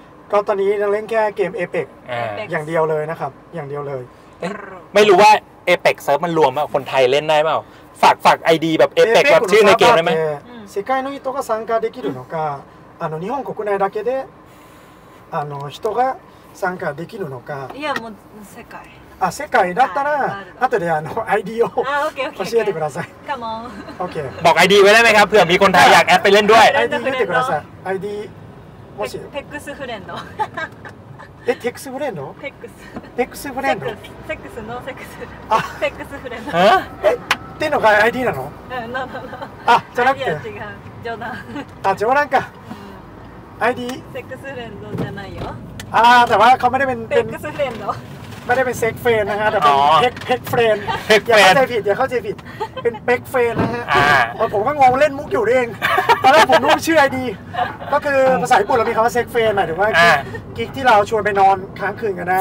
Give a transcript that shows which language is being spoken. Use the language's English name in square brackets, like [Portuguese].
[Thai] ก็ตอนนี้เล่นแค่เกม Apex อย่างเดียวเลยนะครับอย่างเดียวเลย ไม่รู้ว่าเอเพ็กซ์เซิร์ฟมันรวมอ่ะคนไทยเล่นได้เปล่าฝากไอดีแบบเอเพ็กซ์แบบชื่อในเกมได้ไหม [Japanese] 世界の人が参加できるのか日本国内だけで人が参加できるのかいやもう世界世界だったら後でIDを教えてください [English] come on OK [Thai] บอกไอดีไว้ได้ไหมครับเผื่อมีคนไทยอยากแอดไปเล่นด้วย [Japanese] ไอดี教えてください ID もしペックスフレンドえ、テックスフレンド？ペックス。ペックスフレンド？セックス、ノーセックス。ペックスフレンド。え？ってのが ID なの？ノーノーノー。じゃなくて。違う、冗談。冗談か。ID？セックスフレンドじゃないよ。 [Thai] แต่ว่าเขาไม่ได้เป็น [Japanese] ペックスフレンド。 [Thai] ไม่ได้เป็นเซ็กเฟนนะฮะแต่เป็นเพ็กเฟนอย่ าเข้าใจผิดอย่าเข้าใจผิดเป็นเพ็กเฟนนะฮะผมก็งงเล่นมุกอยู่เองตอนแรกผมรู้ชื่อไอดีก็คือภาษาญี่ปุ่นเรามีคำว่าเซ็กเฟนหมายถึงว่ ากิ๊กที่เราชวนไปนอนค้างคืนกันนะ